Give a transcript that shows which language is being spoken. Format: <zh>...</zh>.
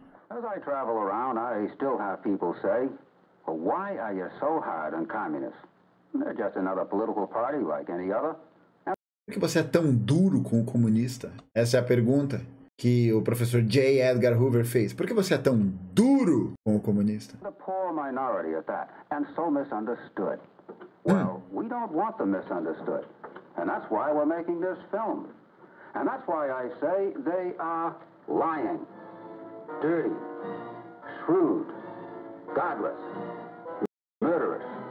<en>As I travel around, I still have people say, well, why are you so hard on communists? They're just another political party like any other.</en> <pt>Por que você é tão duro com o comunista? Essa é a pergunta que o professor J. Edgar Hoover fez. Por que você é tão duro com o comunista?</pt> <en>The poor minority at that, and so misunderstood. Well, we don't want them misunderstood. And that's why we're making this film. And that's why I say they are lying, dirty, shrewd, godless, murderous.</en>